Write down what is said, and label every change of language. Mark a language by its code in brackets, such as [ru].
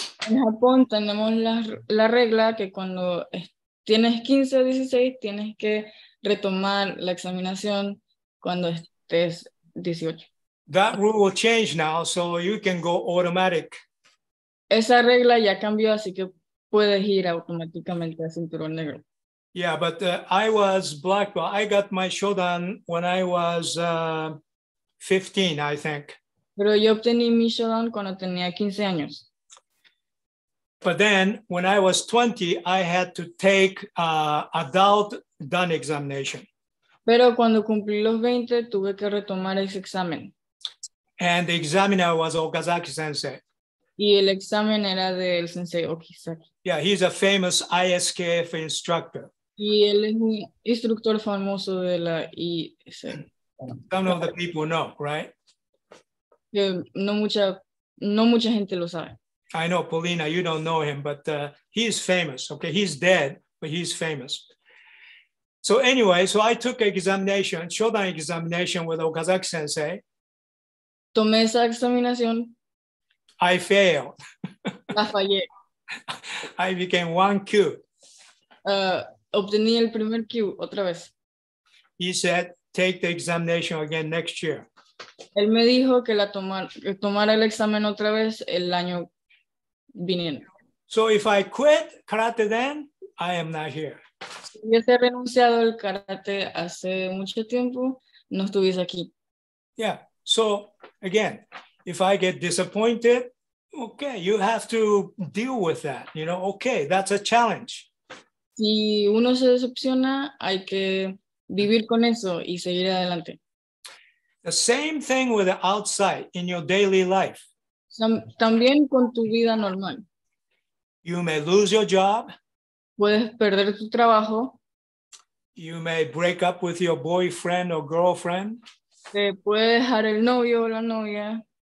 [es] En Japón tenemos la regla que cuando tienes 15 o 16 tienes que retomar la examinación cuando estés 18. [en] That rule will change now, so you can go automatic. [es] Esa regla ya cambió, así que puedes ir automáticamente a cinturón negro. [en] Yeah, but I was black belt. I got my Shodan when I was 15, I think. [es] Pero yo obtení mi Shodan cuando tenía 15 años. [en] But then, when I was 20, I had to take adult done examination. [es] Pero cuando cumplí los 20, tuve que retomar ese examen. [en] And the examiner was Okazaki Sensei. [es] Y el examen era del Sensei Okazaki. [en] Yeah, he's a famous ISKF instructor. [es] Y él es un instructor famoso de la ISKF. [en] Some of the people know, right? [es] No mucha gente lo sabe. [en] I know, Paulina, you don't know him, but he's famous, okay? He's dead, but he's famous. So anyway, so I took Shodan examination with Okazaki Sensei. [es] Tomé esa examinación. [en] I failed. [es] La fallé. [en] I became one Q. [es] Obtení el primer Q otra vez. [en] He said, take the examination again next year. [es] Él me dijo que tomara el examen otra vez el año viniendo. [en] So if I quit karate then, I am not here. [es] Si hubiese renunciado al karate hace mucho tiempo, no estuviese aquí. [en] Yeah. So, again, if I get disappointed, okay, you have to deal with that. You know, okay, that's a challenge. [es] Si uno se decepciona, hay que vivir con eso y seguir adelante. [en] The same thing with the outside in your daily life. [es] También con tu vida normal. [en] You may lose your job. [es] Puedes perder tu trabajo. [en] You may break up with your boyfriend or girlfriend. [es] Te puede dejar el novio o la novia.